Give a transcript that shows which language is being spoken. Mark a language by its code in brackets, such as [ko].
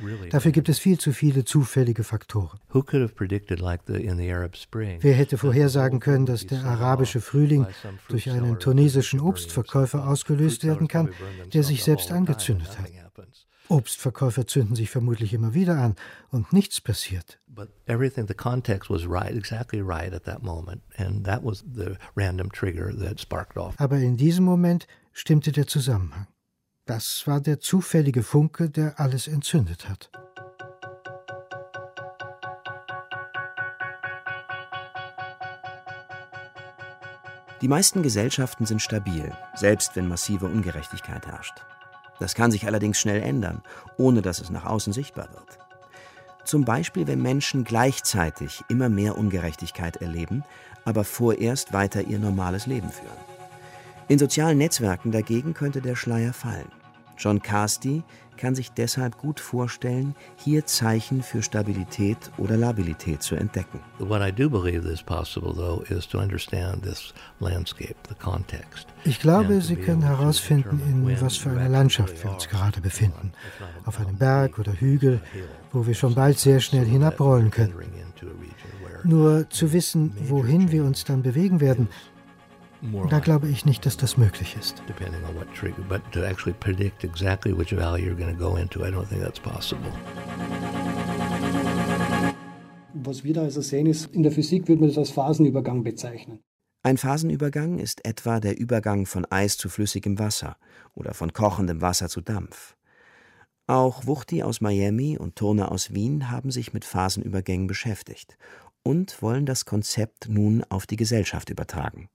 [de] Dafür gibt es viel zu viele zufällige Faktoren. Wer hätte vorhersagen können, dass der arabische Frühling durch einen tunesischen Obstverkäufer ausgelöst werden kann, der sich selbst angezündet hat? Obstverkäufer zünden sich vermutlich immer wieder an und nichts passiert. [en] But everything, the context was right, exactly right at that moment, and that was the random trigger that sparked off. [de] Aber in diesem Moment stimmte der Zusammenhang. Das war der zufällige Funke, der alles entzündet hat. Die meisten Gesellschaften sind stabil, selbst wenn massive Ungerechtigkeit herrscht. Das kann sich allerdings schnell ändern, ohne dass es nach außen sichtbar wird. Zum Beispiel, wenn Menschen gleichzeitig immer mehr Ungerechtigkeit erleben, aber vorerst weiter ihr normales Leben führen. In sozialen Netzwerken dagegen könnte der Schleier fallen. John Carsty kann sich deshalb gut vorstellen, hier Zeichen für Stabilität oder Labilität zu entdecken. [en] What I do believe is possible, though, is to understand this landscape, the context. [de] Ich glaube, Sie können herausfinden, in was für einer Landschaft wir uns gerade befinden. Auf einem Berg oder Hügel, wo wir schon bald sehr schnell hinabrollen können. Nur zu wissen, wohin wir uns dann bewegen werden, da glaube ich nicht, dass das möglich ist. [en] Depending on what trigger, but to actually predict exactly which valley you're going to go into, I don't think that's possible. [de] Was wir da also sehen, ist, in der Physik würde man das als Phasenübergang bezeichnen. Ein Phasenübergang ist etwa der Übergang von Eis zu flüssigem Wasser oder von kochendem Wasser zu Dampf. Auch Wuchti aus Miami und Turner aus Wien haben sich mit Phasenübergängen beschäftigt und wollen das Konzept nun auf die Gesellschaft übertragen.